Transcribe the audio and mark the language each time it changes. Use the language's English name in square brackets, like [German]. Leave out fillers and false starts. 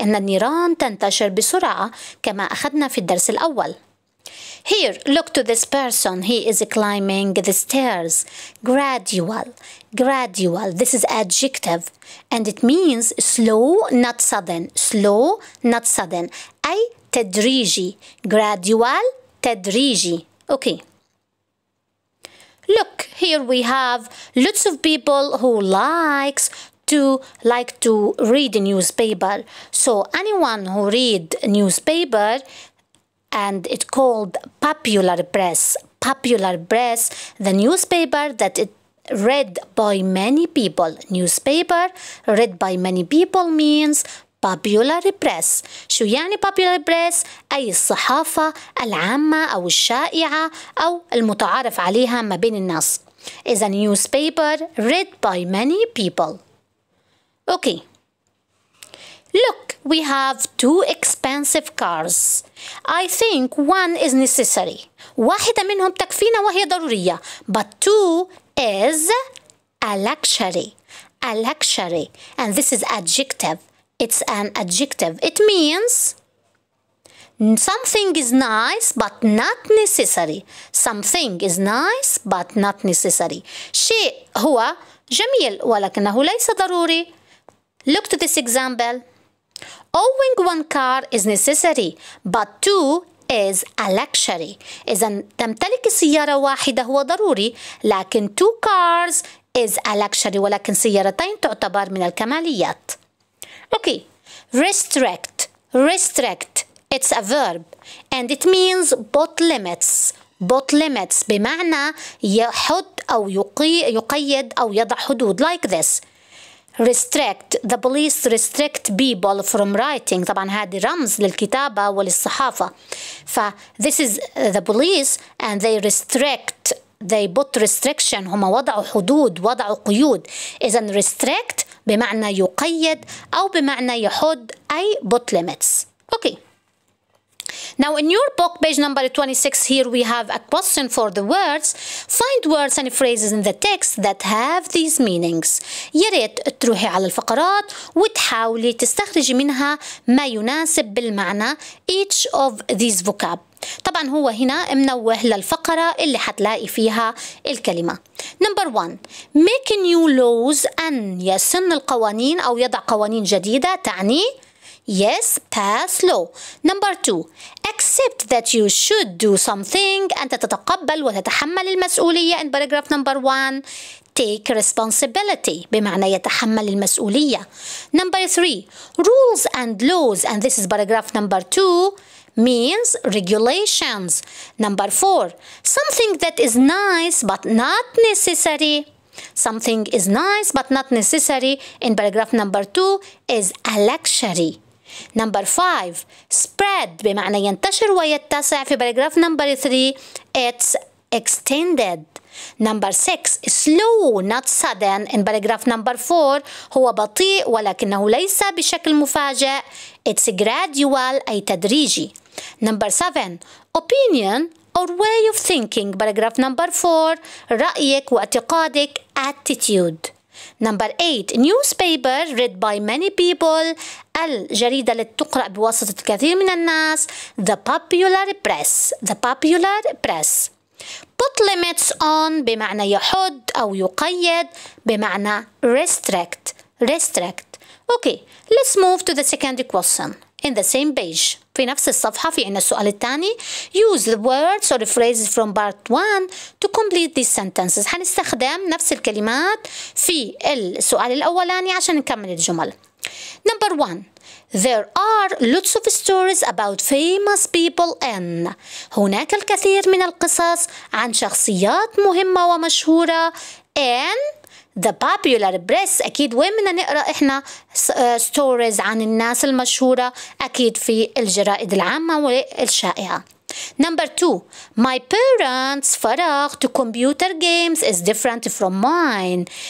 [Arabic] إن النيران تنتشر بسرعة كما أخذنا في الدرس الأول. [English] Here, look to this person. He is climbing the stairs. Gradual. Gradual. This is adjective. And it means slow, not sudden. Slow, not sudden. [Arabic] أي تدريجي. [English] Gradual, تدريجي. Okay. Look, here we have lots of people who like to read a newspaper. So anyone who read newspaper, and it called popular press. Popular press, the newspaper that it read by many people. Newspaper read by many people means popular press. [Arabic] شو يعني popular press؟ أي الصحافة العامة أو الشائعة أو المتعارف عليها ما بين الناس. [English] Is a newspaper read by many people. Okay. Look, we have two expensive cars. I think one is necessary. [Arabic] واحدة منهم تكفينا وهي ضرورية. [English] But two is a luxury. A luxury. And this is adjective. It's an adjective. It means something is nice but not necessary. Something is nice but not necessary. [Arabic] شيء هو جميل ولكنه ليس ضروري. [English] Look to this example. Owning one car is necessary, but two is a luxury. [Arabic] إذن تمتلك سيارة واحدة هو ضروري، لكن [English] two cars is a luxury. [Arabic] ولكن سيارتين تعتبر من الكماليات. [English] Okay. Restrict. Restrict. It's a verb, and it means put limits. Put limits [Arabic] بمعنى يحد أو يقيد أو يضع حدود. [English] Like this. Restrict. The police restrict people from writing. [Arabic] طبعا هذه رمز للكتابة وللصحافة. [English] This is the police and they restrict. They put restriction. [Arabic] هما وضعوا حدود وضعوا قيود. إذن restrict بمعنى يقيد أو بمعنى يحد أي [English] put limits. Okay. Now in your book, page number 26, here we have a question for the words. Find words and phrases in the text that have these meanings. [Arabic] ياريت تروحي على الفقرات وتحاولي تستخرجي منها ما يناسب بالمعنى [English] each of these vocab. [Arabic] طبعا هو هنا منوه للفقرة اللي حتلاقي فيها الكلمة. [English] Number one, make new laws, [Arabic] أن يسن القوانين أو يضع قوانين جديدة تعني [English] Yes, pass law. Number two, accept that you should do something. [Arabic] أنت تتقبل وتتحمل المسؤولية. [English] In paragraph number one, take responsibility. [Arabic] بمعنى يتحمل المسؤولية. [English] Number three, rules and laws. And this is paragraph number two, means regulations. Number four, something that is nice but not necessary. Something is nice but not necessary. In paragraph number two, is a luxury. Number five, spread [Arabic] بمعنى ينتشر ويتسع [English] في paragraph number three, it's extended. Number six, slow not sudden in paragraph number four, [Arabic] هو بطيء ولكنه ليس بشكل مفاجئ, [English] it's gradual [Arabic] أي تدريجي. [English] Number seven, opinion or way of thinking, paragraph number four, [Arabic] رأيك واعتقادك, [English] attitude. Number eight, newspaper read by many people. [Arabic] الجريدة التي تقرأ بواسطة الكثير من الناس. [English] The popular press. The popular press. Put limits on [Arabic] بمعنى يحد أو يقيد بمعنى [English] restrict. Restrict. Okay, let's move to the second question. In the same page. [Arabic] في نفس الصفحة في عنا السؤال الثاني. [English] Use the words or the phrases from part 1 to complete these sentences. [Arabic] هنستخدم نفس الكلمات في السؤال الأولاني عشان نكمل الجمل. [English] Number 1. There are lots of stories about famous people in. [Arabic] هناك الكثير من القصص عن شخصيات مهمة ومشهورة in. [English] The popular press [Arabic] أكيد وين بدنا نقرأ إحنا stories عن الناس المشهورة أكيد في الجرائد العامة والشائعة. [English] Number two, my parents' فراغ to computer games is different from mine.